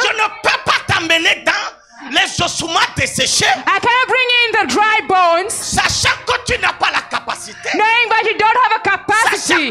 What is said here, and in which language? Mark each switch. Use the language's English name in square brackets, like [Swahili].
[French] Je ne peux pas t'amener dans. Les ossements desséchés. [English] I cannot bring in the dry bones. [French] Sachant que tu n'as pas la capacité. [English] Knowing that you don't have a capacity.